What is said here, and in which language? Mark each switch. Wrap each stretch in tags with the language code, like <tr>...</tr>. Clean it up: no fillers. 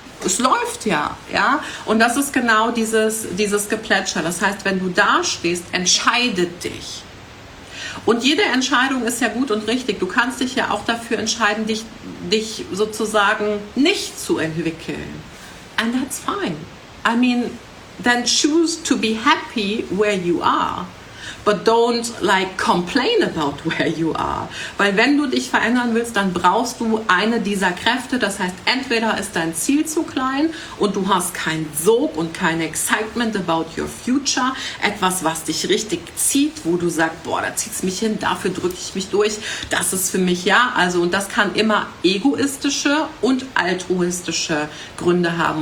<de>Es läuft ja, ja. Und das ist genau dieses Geplätscher. Das heißt, wenn du da stehst, entscheide dich. Und jede Entscheidung ist ja gut und richtig. Du kannst dich ja auch dafür entscheiden, dich sozusagen nicht zu entwickeln.</de> <en>And that's fine. I mean, then choose to be happy where you are. But don't like complain about where you are.</en> <de>Weil wenn du dich verändern willst, dann brauchst du eine dieser Kräfte. Das heißt, entweder ist dein Ziel zu klein und du hast keinen Sog und kein</de> <en>Excitement about your future.</en> <de>Etwas, was dich richtig zieht, wo du sagst, boah, da zieht es mich hin, dafür drücke ich mich durch. Das ist für mich ja. Also, und das kann immer egoistische und altruistische Gründe haben.</de>